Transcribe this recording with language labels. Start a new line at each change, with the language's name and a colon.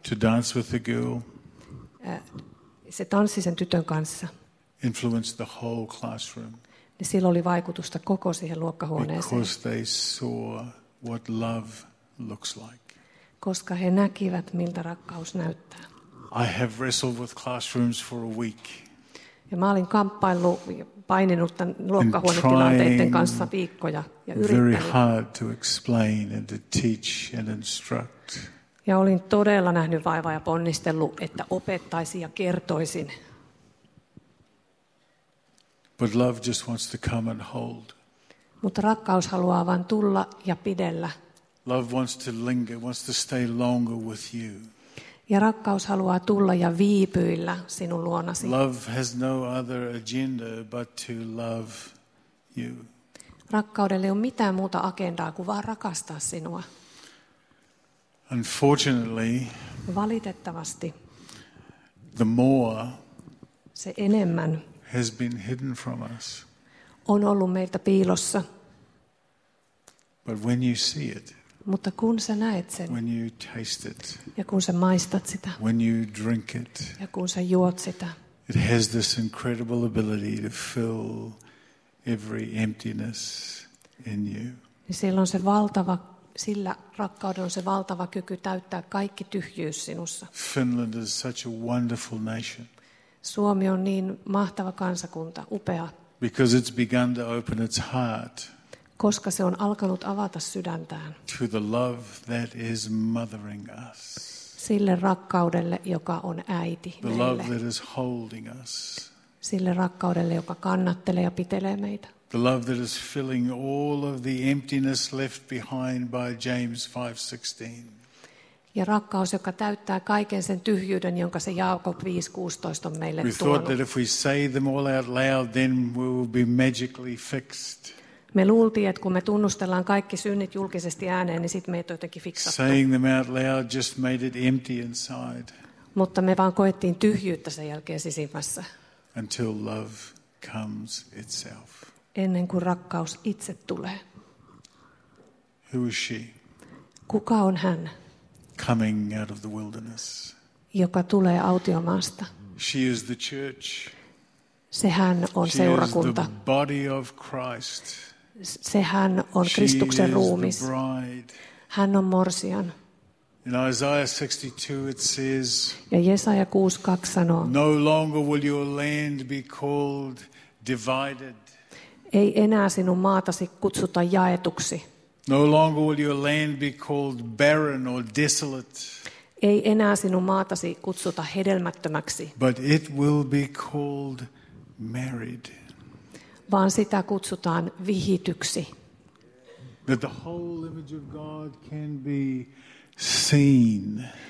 English: To dance with the girl.
Finnish: Se tanssi sen tytön kanssa.
English: Influenced the whole classroom.
Finnish: Ja sillä oli vaikutusta koko siihen luokkahuoneeseen.
English: Because they saw what love looks like.
Finnish: Koska he näkivät, miltä rakkaus näyttää.
English: I have wrestled with classrooms for a week.
Finnish: Ja mä olin kamppaillut ja paininut tämän luokkahuonetilanteiden kanssa viikkoja ja yrittänyt.
English: Very hard to explain and to teach and instruct.
Finnish: Ja olin todella nähnyt vaivaa ja ponnistellut, että opettaisin ja kertoisin.
English: But love just wants to come and hold.
Finnish: Mutta rakkaus haluaa vain tulla ja pidellä.
English: Love wants to linger, wants to stay longer with you.
Finnish: Ja rakkaus haluaa tulla ja viipyillä sinun luonasi.
English: Love has no other agenda but to love you.
Finnish: Rakkaudelle ei ole mitään muuta agendaa kuin vaan rakastaa sinua.
English: Unfortunately,
Finnish: valitettavasti,
English: the more
Finnish: se enemmän
English: has been hidden from us,
Finnish: on ollut meiltä piilossa.
English: But when you see it,
Finnish: mutta kun sä näet sen,
English: when you taste it,
Finnish: ja kun sä maistat sitä,
English: when you drink it,
Finnish: ja kun sä juot sitä,
English: it has this incredible ability to fill every emptiness in you.
Finnish: Niin siellä on se valtava Sillä rakkaudella on se valtava kyky täyttää kaikki tyhjyys sinussa.
English: Finland is such a wonderful nation.
Finnish: Suomi on niin mahtava kansakunta, upea.
English: Because it's begun to open its heart.
Finnish: Koska se on alkanut avata sydäntään.
English: To the love that is mothering us.
Finnish: Sille rakkaudelle, joka on äiti meille.
English: The love that is holding us.
Finnish: Sille rakkaudelle, joka kannattelee ja pitelee meitä.
English: The love that is filling all of the emptiness left behind by James 5:16.
Finnish: Ja rakkaus, joka täyttää kaiken sen tyhjyyden, jonka se Jaakob 5:16 on meille tuonut.
English: We thought that if we say them all out loud, then we will be magically fixed.
Finnish: Me luultiin, että kun me tunnustellaan kaikki synnit julkisesti ääneen, niin sitten meitä on jotenkin fiksattu.
English: Saying them out loud just made it empty inside.
Finnish: Mutta me vaan koettiin tyhjyyttä sen jälkeen sisimmässä.
English: Until love comes itself.
Finnish: Ennen kuin rakkaus itse tulee.
English: Who is she?
Finnish: Kuka on hän?
English: Coming out of the wilderness.
Finnish: Joka tulee autiomaasta.
English: She is the church.
Finnish: Se hän on
English: she
Finnish: seurakunta.
English: Is the body of Christ.
Finnish: Se hän on
English: she
Finnish: Kristuksen
English: is
Finnish: ruumis.
English: The bride.
Finnish: Hän on morsian.
English: In Isaiah 62 it says.
Finnish: Ja Jesaja 6:2 sanoo.
English: No longer will your land be called divided.
Finnish: Ei enää sinun maatasi kutsuta jaetuksi.
English: No longer will your land be called barren or desolate.
Finnish: Ei enää sinun maatasi kutsuta hedelmättömäksi.
English: But it will be called married.
Finnish: Vaan sitä kutsutaan vihityksi.
English: That the whole image of God can be seen.